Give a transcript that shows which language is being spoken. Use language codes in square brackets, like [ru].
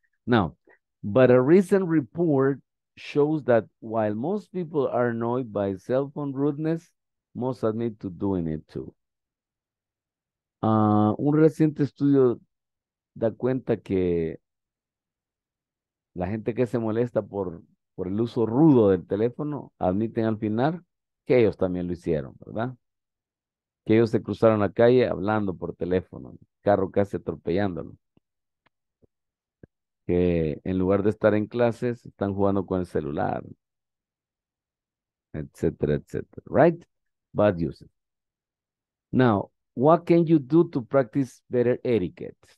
[en] Now, but a recent report shows that while most people are annoyed by cell phone rudeness, most admit to doing it too. [es] Un reciente estudio da cuenta que la gente que se molesta por el uso rudo del teléfono admiten al final que ellos también lo hicieron, ¿verdad? Que ellos se cruzaron la calle hablando por teléfono, carro casi atropellándolo. Que en lugar de estar en clases, están jugando con el celular, etcétera, etcétera. [en] Right? Bad usage. Now, what can you do to practice better etiquette?